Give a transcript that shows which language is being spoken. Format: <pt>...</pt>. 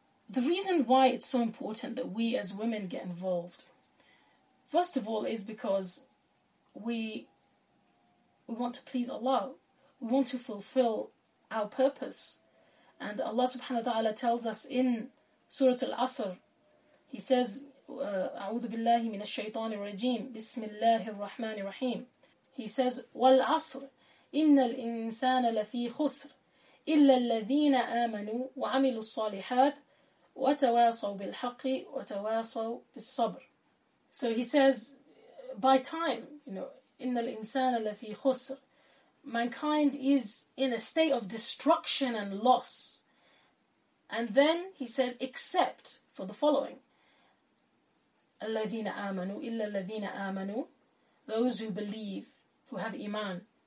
<en>The reason why it's so important that we as women get involved, first of all, is because we want to please Allah. We want to fulfill our purpose. And Allah subhanahu wa ta'ala tells us in Surah Al-Asr, He says,</en> <ar>أعوذ بالله من الشيطان الرجيم بسم الله الرحمن الرحيم. He says, والعصر إن الإنسان لفي خسر إلا الذين آمنوا وعملوا الصالحات وتواصوا بالحق وتواصوا بالصبر.</ar> <en>So he says, by time, you know,</en> <ar>إن الإنسان لفي خسر.</ar> <en>Mankind is in a state of destruction and loss. And then he says, except for the following.</en> <ar>الَّذِينَ آمَنُوا إِلَّا الَّذِينَ آمَنُوا</ar> <en>Those who believe, who have iman.</en>